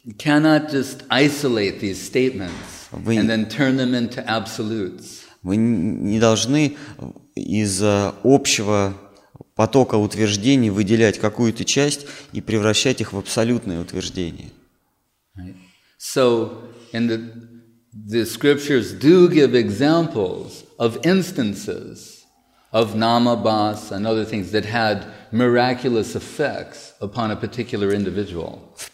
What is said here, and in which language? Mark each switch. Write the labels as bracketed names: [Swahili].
[English] You cannot just isolate these statements and then turn them into absolutes. [Russian] Вы не должны из общего потока утверждений выделять какую-то часть и превращать их в абсолютные утверждения. [English] Right. So, and the scriptures do give examples of instances of namabhas and other things that had miraculous effects upon a particular individual.